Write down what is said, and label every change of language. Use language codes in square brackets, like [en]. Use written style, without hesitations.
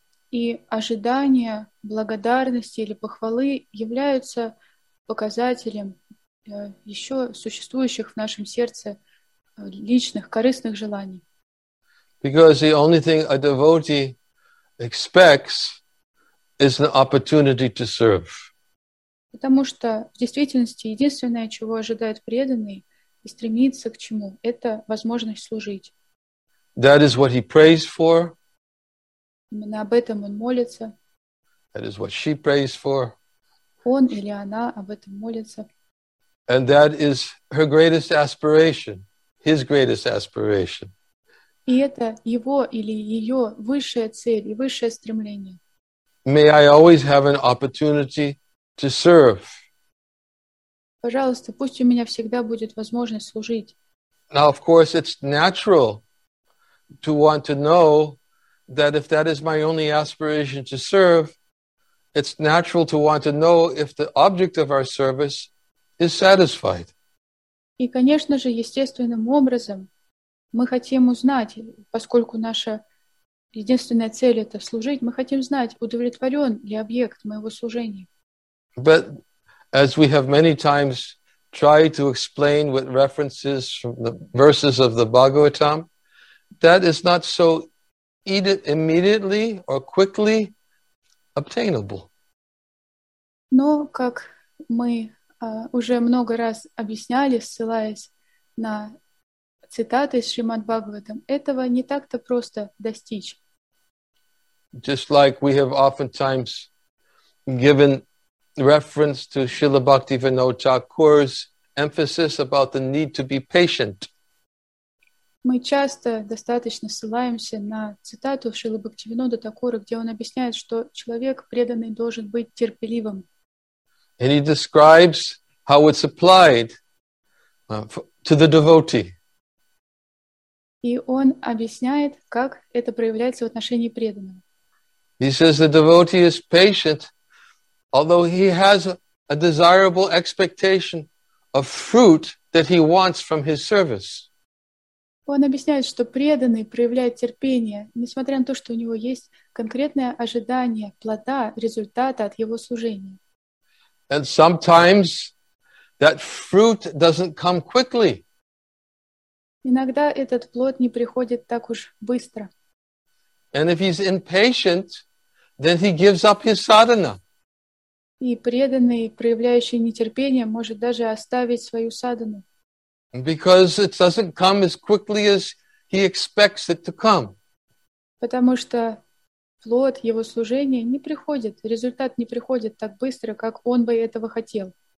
[ru] И ожидания благодарности или похвалы являются показателем еще существующих в нашем сердце личных корыстных желаний. [en] Because the only thing a devotee expects is an opportunity to serve. [ru] Потому что в действительности единственное, чего ожидает преданный и стремится к чему, это возможность служить. [en] That is what he prays for. [ru] Именно об этом он молится. [en] That is what she prays for. [ru] Он или она об этом молится. [en] And that is her greatest aspiration, his greatest aspiration. [ru] И это его или ее высшая цель и высшее стремление. [en] May I always have an opportunity to serve. [ru] Пожалуйста, пусть у меня всегда будет возможность служить. [en] Now, of course, it's natural to want to know that if that is my only aspiration to serve, it's natural to want to know if the object of our service is satisfied. [ru] И, конечно же, естественным образом мы хотим узнать, поскольку наша единственная цель — это служить, мы хотим знать, удовлетворен ли объект моего служения. [en] But as we have many times tried to explain with references from the verses of the Bhagavatam, that is not so immediately or quickly obtainable. [ru] Но, как мы уже много раз объясняли, ссылаясь на цитаты из Шримад-Бхагаватам, этого не так-то просто достичь. [en] Just like we have oftentimes given reference to Srila Bhaktivinoda Thakur's emphasis about the need to be patient. [ru] Мы часто достаточно ссылаемся на цитату Шрилы Бхактивинода Такура, где он объясняет, что человек преданный должен быть терпеливым. [en] And he describes how it's applied to the devotee. [ru] И он объясняет, как это проявляется в отношении преданного. [en] He says the devotee is patient, although he has a desirable expectation of fruit that he wants from his service. [ru] Он объясняет, что преданный проявляет терпение, несмотря на то, что у него есть конкретное ожидание плода, результата от его служения. [en] And sometimes that fruit doesn't come quickly. [ru] Иногда этот плод не приходит так уж быстро. [en] And if he's impatient, then he gives up his sadhana. [ru] И преданный, проявляющий нетерпение, может даже оставить свою садхану. [en] Because it doesn't come as quickly as he expects it to come. [ru] Потому что плод его служения не приходит, результат не приходит так быстро, как он бы этого хотел.